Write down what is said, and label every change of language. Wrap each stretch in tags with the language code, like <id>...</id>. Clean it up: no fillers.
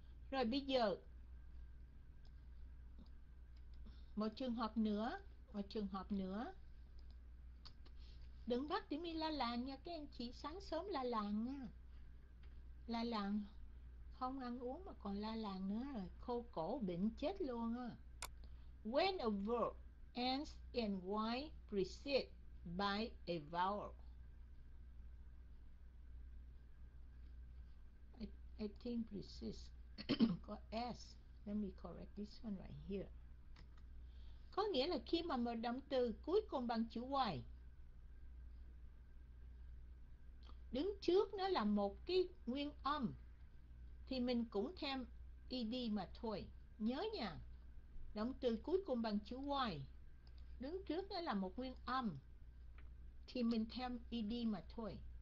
<vi>Rồi, bây giờ một trường hợp nữa, một trường hợp nữa. Đừng bắt tiếng mi la làng nha các anh chị, sáng sớm la làng nha. La làng không ăn uống mà còn la làng nữa rồi, khô cổ bệnh chết luôn á.</vi> <en>When a verb ends in y preceded by a vowel. I think preceded</en> <vi>có</vi> <en>s. Let me correct this one right here.</en> <vi>Có nghĩa là khi mà một động từ cuối cùng bằng chữ y đứng trước nó là một cái nguyên âm, Thì mình cũng thêm ed mà thôi. Nhớ nha, động từ cuối cùng bằng chữ y, đứng trước nó là một nguyên âm, thì mình thêm ed mà thôi.</vi>